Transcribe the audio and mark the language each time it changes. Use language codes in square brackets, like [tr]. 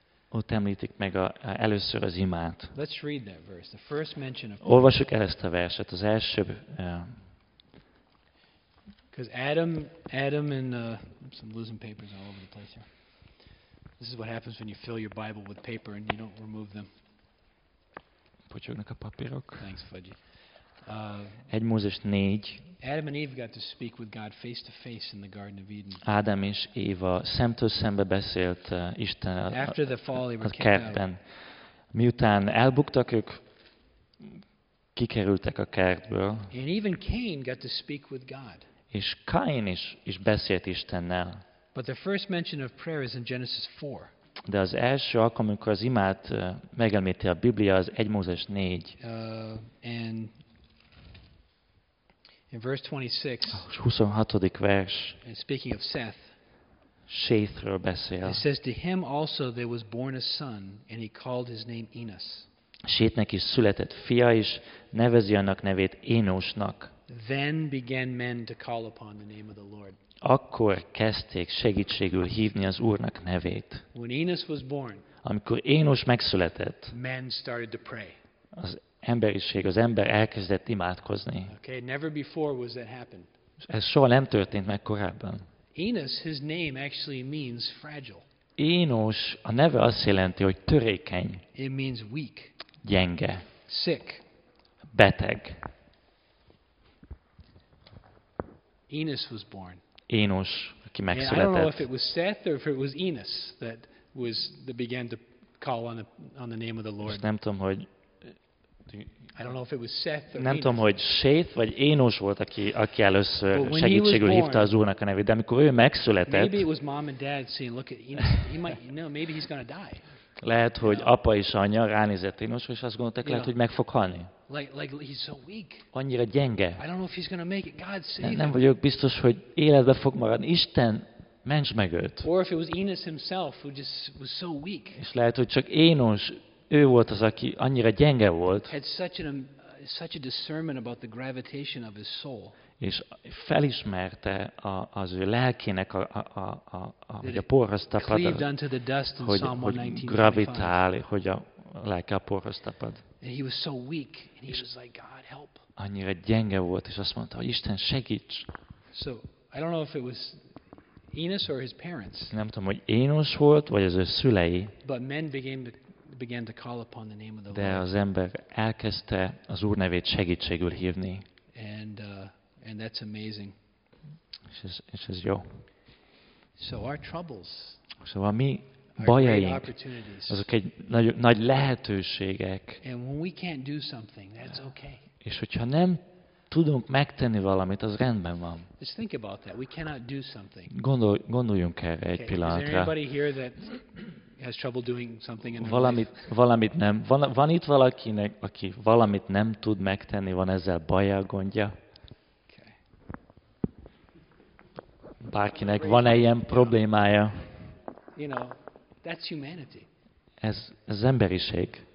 [hu] Ott említik meg először az imát. [en] Let's read that verse, the first mention of prayer. [hu] Olvassuk el ezt a verset, az első. [en] Because Adam and I'm losing papers all over the place here. This is what happens when you fill your Bible with paper and you don't remove them. [hu] Pocsognak a papírok. [en] Thanks, Fudgy. [hu] Egy Mózes 4. [en] Adam and Eve got to speak with God face to face in the Garden of Eden. [hu] Ádám és Éva szemtől szembe beszélt Istennel. [en] After the fall, they were kept out. [hu] Miután elbuktak, ők kikerültek a kertből. [en] And even Cain got to speak with God. [hu] És Káin is beszélt Istennel. [en] But the first mention of prayer is in Genesis 4. [hu] De az első alkalom, amikor az imát megemlíti a Biblia, az 1 Mózes 4. [en] And in verse 26, [hu] 26. vers, [en] and speaking of Seth, [hu] Séthről beszél. [en] It says, to him also there was born a son, and he called his name Enos. [hu] Séthnek is született fia, és nevezi annak nevét Énosnak. [en] Then began men to call upon the name of the Lord. [hu] Akkor kezdték segítségül hívni az Úrnak nevét. [en] When Enos was born, [hu] amikor Énos megszületett, [en] men started to pray. [hu] Az emberiség, az ember elkezdett imádkozni. [en] Okay, never before was that happened. [hu] Ez soha nem történt meg korábban. [en] Enos, his name actually means fragile. [hu] Énos, a neve azt jelenti, hogy törékeny. [en] It means weak. [hu] Gyenge. [en] Sick. [hu] Beteg. [en] Enos was born. [hu] Énos, aki megszületett. [en] And I don't know if it was Seth or if it was Enos that was that began to call on the name of the Lord. [hu] Nem tudom, hogy [en] I don't know if it was Seth or Enos. [hu] Nem tudom, hogy Seth vagy Énos volt, aki először segítségül hívta az Úrnak a nevét, de amikor ő megszületett. [en] Maybe it was mom and dad saying, look at Enos. He might, no, maybe he's gonna die. [hu] Lehet, hogy apa és anya ránézett Énosra, és azt gondolták, lehet, hogy meg fog halni. [en] He's so weak. [hu] Annyira gyenge. [en] I don't know if he's gonna make it. God save him. [hu] Nem vagyok biztos, hogy életbe fog maradni. Isten, ments meg őt. [en] Or if it was Enos himself who just was so weak. [hu] És lehet, hogy csak Énos, ő volt az, aki annyira gyenge volt. [en] Had such a discernment about the gravitation of his soul. [hu] És felismerte az ő lelkének a porhoz tapad, hogy gravitál, hogy a lelke a porhoz tapad. [en] He was so weak, and he was like, God, help. [hu] Annyira gyenge volt, és azt mondta, hogy Isten segíts. [en] So, I don't know if it was Enos or his parents. [hu] Nem tudom, hogy Enos volt, vagy az ő szülei. [en] But men began to call upon the name of the Lord. [hu] De az ember elkezdte az Úr nevét segítségül hívni. [en] And that's amazing. [hu] És ez jó. [en] So our troubles. [hu] So a mi bajaink, azok egy nagy lehetőségek. [en] And when we can't do something, that's okay. [hu] És hogyha nem tudunk megtenni valamit, az rendben van. [en] Just think about that. We cannot do something. [hu] Gondoljunk erre egy pillanatra. [en] Is there anybody here that has trouble doing something in their life? [hu] Valamit nem. Van itt valakinek, aki valamit nem tud megtenni, van ezzel baja, gondja? Bárkinek van-e ilyen problémája? [en] You know, that's humanity. [hu] Ez emberiség.